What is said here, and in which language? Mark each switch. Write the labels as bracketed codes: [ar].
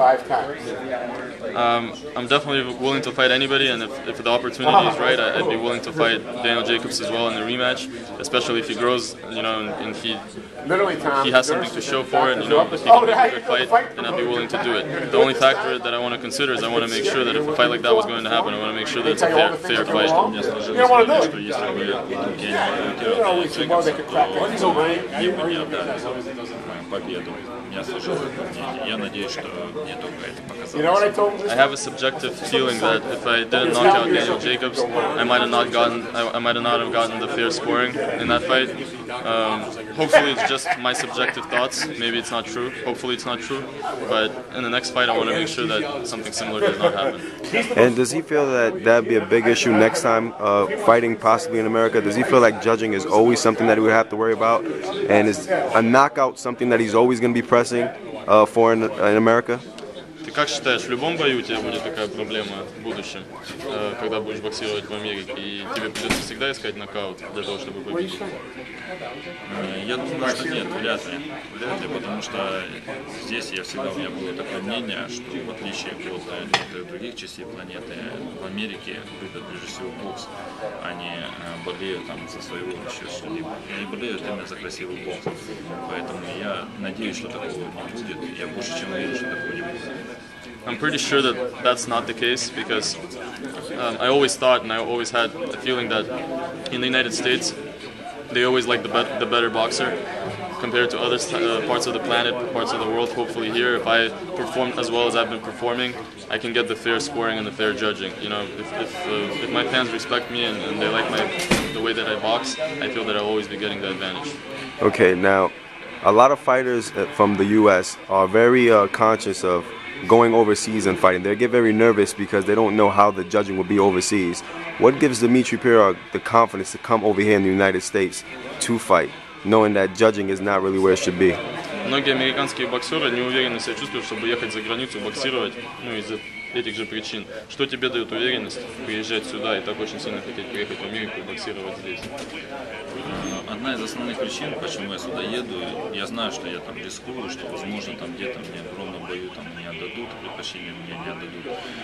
[en] I'm definitely willing to fight anybody, and if the opportunity is right, I'd be willing to fight Daniel Jacobs as well in the rematch, especially if he grows, you know, and he has something to show for it, you know, if he can make a good fight, then I'd be willing to do it. The only factor that I want to consider is I want to make sure that if a fight like that was going to happen, I want to make sure that it's a fair fight. [ru] Победу. Я сожалею это мнение. Я надеюсь, что мне только это показалось. [en] I have a subjective feeling that if I didn't knock out Daniel Jacobs, I might have not gotten the fair scoring in that fight. Hopefully it's just my subjective thoughts. Maybe it's not true. Hopefully it's not true. But in the next fight, I want to make sure that something similar does not happen. And does he feel that that'd be a big issue next time, fighting possibly in America? Does he feel like judging is always something that he would have to worry about? And is a knockout something that he's always going to be pressing for in America? [ru] Ты как считаешь, в любом бою у тебя будет такая проблема в будущем, когда будешь боксировать в Америке, и тебе придется всегда искать нокаут для того, чтобы победить? Я думаю, что нет, вряд ли, потому что здесь я всегда, у меня было такое мнение, что в отличие от других частей планеты, в Америке любят прежде всего бокс, они болеют там за своего еще что-либо, они болеют именно за красивый бокс, поэтому я надеюсь, что такого не будет, я больше чем уверен, что такого не будет. [en] I'm pretty sure that that's not the case, because I always thought and I always had a feeling that in the United States, they always like the better boxer compared to other parts of the planet, parts of the world. Hopefully here, if I perform as well as I've been performing, I can get the fair scoring and the fair judging. You know, if my fans respect me and they like the way that I box, I feel that I'll always be getting the advantage. Okay, now, a lot of fighters from the U.S. are very conscious of going overseas and fighting. They get very nervous because they don't know how the judging will be overseas. What gives Dmitry Pirog the confidence to come over here in the United States to fight, knowing that judging is not really where it should be? [ru] Многие американские боксеры не уверены себя чувствуют, чтобы ехать за границу боксировать, ну, из-за этих же причин. Что тебе дает уверенность приезжать сюда и так очень сильно хотеть приехать в Америку и боксировать здесь? Одна из основных причин, почему я сюда еду, я знаю, что я там рискую, что, возможно, там где-то мне огромно бою, там не отдадут, предпочтение мне не отдадут.